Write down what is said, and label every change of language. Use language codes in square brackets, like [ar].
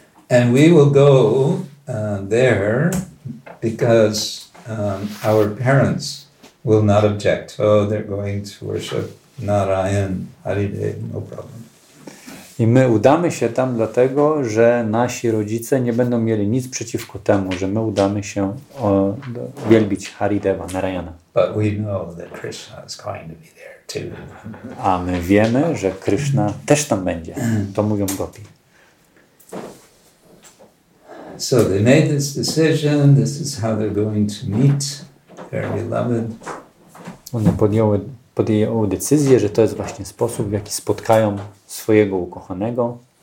[en] And we will go there because our parents will not object. Oh, they're going to worship Narayan, Harideva, no problem. [pl] I my udamy się tam dlatego, że nasi rodzice nie będą mieli nic przeciwko temu, że my udamy się wielbić Harideva, Narayana. [en] But we know that Krishna is going to be there too. [pl] A my wiemy, że Krishna też tam będzie. To mówią gopi. [en] So they made this decision. This is how they're going to meet their beloved. [pl] One podjęły decyzję, że to jest właśnie sposób, w jaki spotkają swojego ukochanego.